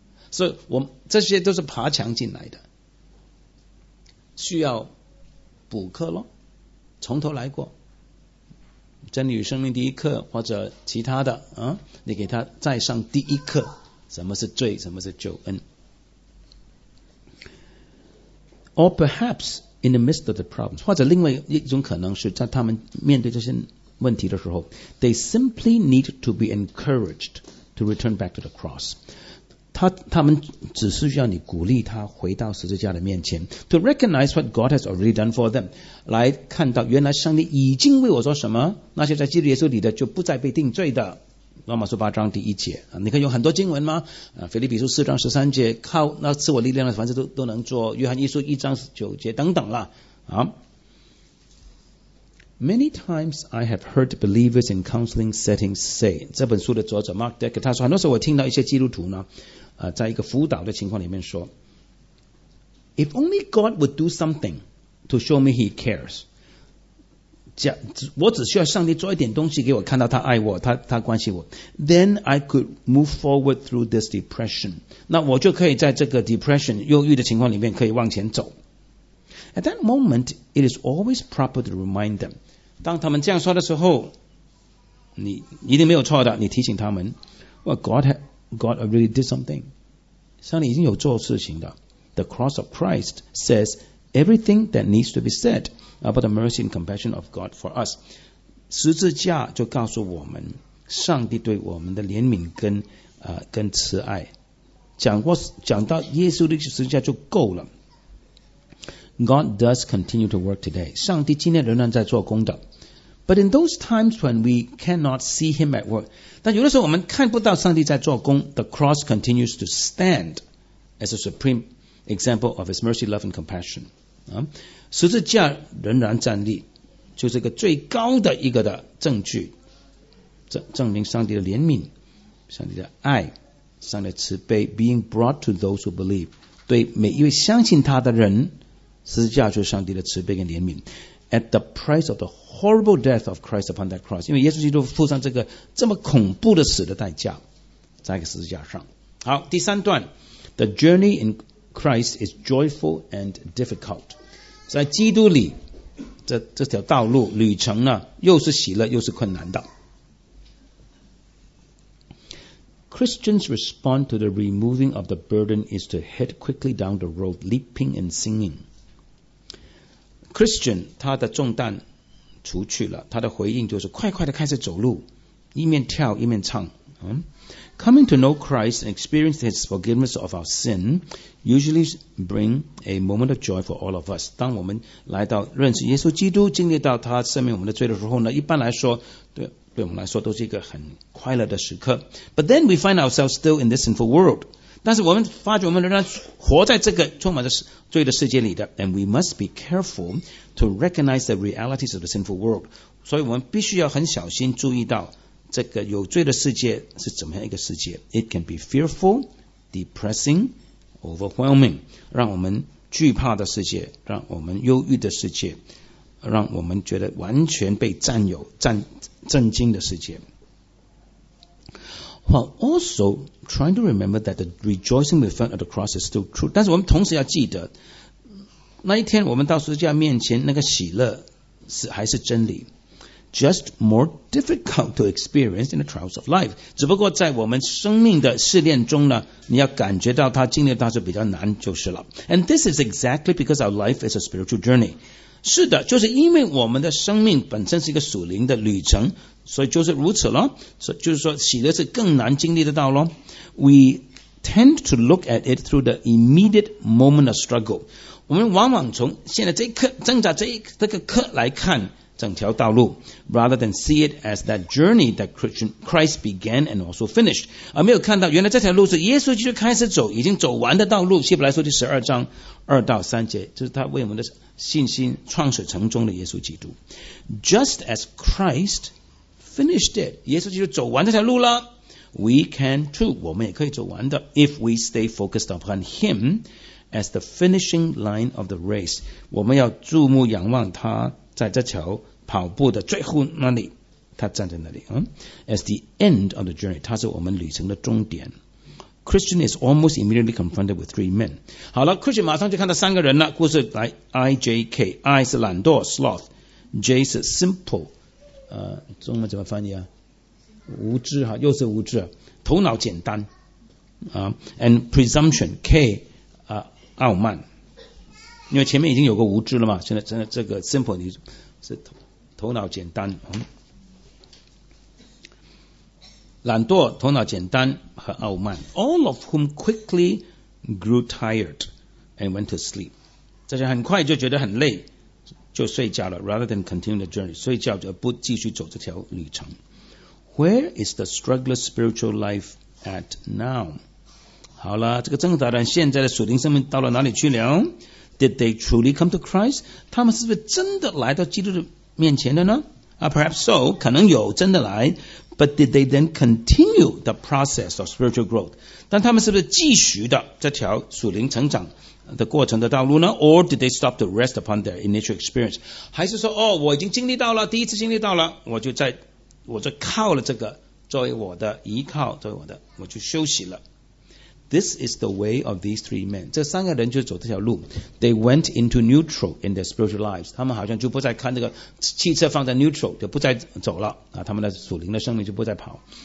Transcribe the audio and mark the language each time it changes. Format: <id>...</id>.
<zh>所以我这些都是爬墙进来的，需要补课咯，从头来过，真理与生命第一课或者其他的啊，你给他再上第一课，什么是罪，什么是救恩。</zh> <en>Or perhaps in the midst of the problems，</en> <zh>或者另外一种可能是在他们面对这些问题的时候，</zh> <en>They simply need to be encouraged to return back to the cross，</en> <zh>他们只是需要你鼓励他回到十字架的面前，</zh> <en>To recognize what God has already done for them，</en> <zh>来看到原来上帝已经为我做什么，那些在基督耶稣里的就不再被定罪的。罗马书八章第一节，你可以用很多经文吗？腓立比书四章十三节，靠那赐我力量的凡事都能做。约翰一书一章九节等等啦。</zh> <en>Many times I have heard believers in counseling settings say，</en> <zh>这本书的作者 Mark Decker 他说，很多时候我听到一些基督徒呢，在一个辅导的情况里面说</zh> <en>，If only God would do something to show me He cares。</en> <zh>我只需要上帝做一点东西给我看到他爱我， 他关心我</zh> <en>Then I could move forward through this depression，</en> <zh>那我就可以在这个 depression 忧郁的情况里面可以往前走。</zh> <en>At that moment it is always proper to remind them，</en> <zh>当他们这样说的时候你一定没有错的，你提醒他们</zh> <en>Well God already did something，</en> <zh>上帝已经有做事情的。</zh> <en>The cross of Christ says everything that needs to be saidabout the mercy and compassion of God for us，</en> <zh>十字架就告诉我们上帝对我们的怜悯 跟慈爱， 讲到耶稣的十字架就够了。</zh> <en>God does continue to work today，</en> <zh>上帝今天仍然在做工的。</zh> <en>But in those times when we cannot see him at work，</en> <zh>但有的时候我们看不到上帝在做工，</zh> <en>The cross continues to stand as a supreme example of his mercy, love and compassion。</en> <zh>十字架仍然站立，就是一个最高的一个的证据，证明上帝的怜悯，上帝的爱，上帝的慈悲</zh> <en>being brought to those who believe，</en> <zh>对每一位相信他的人，十字架就是上帝的慈悲跟怜悯。</zh> <en>At the price of the horrible death of Christ upon that cross，</en> <zh>因为耶稣基督付上这个这么恐怖的死的代价，在一个十字架上。好，第三段，</zh> <en>The journey in Christ is joyful and difficult，</en> <zh>在基督里 这条道路旅程呢，又是喜乐又是困难的。</zh> <en>Christians respond to the removing of the burden is to head quickly down the road leaping and singing。</en> <zh>Christian 他的重担除去了，他的回应就是快快的开始走路，一面跳一面唱。</zh> <en>Coming to know Christ and experience His forgiveness of our sin usually bring a moment of joy for all of us。</en> <zh>当我们来到认识耶稣基督，经历到他赦免我们的罪的时候呢，一般来说 对我们来说都是一个很快乐的时刻。</zh> <en>But then we find ourselves still in this sinful world，</en> <zh>但是我们发觉我们仍然活在这个充满着罪的世界里的。</zh> <en>And we must be careful to recognize the realities of the sinful world，</en> <zh>所以我们必须要很小心注意到这个有罪的世界是怎么样一个世界。</zh> <en>It can be fearful, depressing, overwhelming，</en> <zh>让我们惧怕的世界，让我们忧郁的世界，让我们觉得完全被占有震惊的世界。</zh> <en>While also trying to remember that the rejoicing we found at the cross is still true，</en> <zh>但是我们同时要记得那一天我们到十字架面前那个喜乐还是真理。</zh> <en>Just more difficult to experience in the trials of life，</en> <zh>只不过在我们生命的试炼中呢，你要感觉到它经历它是比较难就是了。</zh> <en>And this is exactly because our life is a spiritual journey，</en> <zh>是的，就是因为我们的生命本身是一个属灵的旅程，所以就是如此咯。所以就是说喜乐是更难经历得到咯。</zh> <en>We tend to look at it through the immediate moment of struggle，</en> <zh>我们往往从现在这一刻挣扎这个刻来看整条道路，</zh> <en>rather than see it as that journey that Christ began and also finished，</en> <zh>而没有看到原来这条路是耶稣基督开始走已经走完的道路。希伯来书第十二章二到三节，就是他为我们的信心创始成终的耶稣基督。</zh> <en>Just as Christ finished it，</en> <zh>耶稣基督走完这条路了，</zh> <en>we can too，</en> <zh>我们也可以走完的。</zh> <en>If we stay focused upon him as the finishing line of the race，</en> <zh>我们要注目仰望他在这条跑步的最后那里，他站在那里。</zh> <en>As the end of the journey，</en> <zh>他是我们旅程的终点。</zh> <en>Christian is almost immediately confronted with three men.</en> <zh>好了 ，Christian 马上就看到三个人了。故事来 ，I J K I 是懒惰 sloth， J 是 simple， 中文怎么翻译啊？无知哈，又是无知，头脑简单啊。 And presumption K 啊、傲慢，因为前面已经有个无知了嘛，现在这个 simple 你是头脑简单。嗯懒惰头脑简单和傲慢</zh> <en>All of whom quickly grew tired and went to sleep</en> <zh>这些很快就觉得很累就睡觉了</zh> <en>Rather than continue the journey</en> <zh>睡觉就不继续走这条旅程</zh> <en>Where is the struggler's spiritual life at now?</en> <zh>好了这个挣扎人现在的属灵生命到了哪里去了</zh> <en>Did they truly come to Christ?</en> <zh>他们是不是真的来到基督的面前的呢</zh> <en>Perhaps so,</en> <zh>可能有真的来</zh> <en>But did they then continue the process of spiritual growth?</en> <zh>但他们是不是继续的这条属灵成长的过程的道路呢</zh> <en>Or did they stop to rest upon their initial experience?</en> <zh>还是说哦，我已经经历到了第一次经历到了我就靠了这个作为我的依靠作为我的我就休息了</zh> <en>This is the way of these three men</en> <zh>这三个人就走这条路</zh> <en>They went into neutral in their spiritual lives</en> <zh>他们好像就不再看这个汽车放在 neutral 就不再走了、啊、他们的属灵的生命就不再跑</zh>